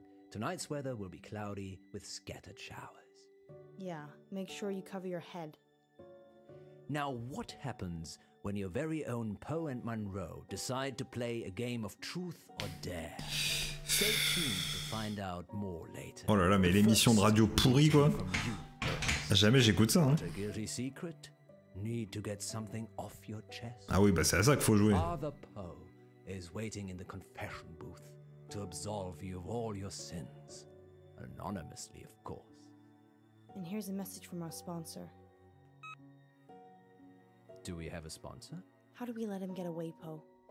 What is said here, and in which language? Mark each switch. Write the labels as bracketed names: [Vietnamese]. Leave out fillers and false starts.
[English] Tonight's weather will be cloudy with scattered showers. Yeah, make sure you cover your head. Now, what happens when your very own Poe and Munro decide to play a game of truth or dare? Stay tuned to find out more later. [French] Oh là là, mais l'émission de radio pourrie, quoi. Jamais j'écoute ça, hein. [English] A guilty secret? Need to get something off your chest? [French] Ah oui, bah c'est à ça qu'il faut jouer. [English] Father Poe is waiting in the confession booth to absolve you of all your sins. Anonymously, of course. And here's a message from our sponsor. Do we have a sponsor? How do we let him get away, Poe?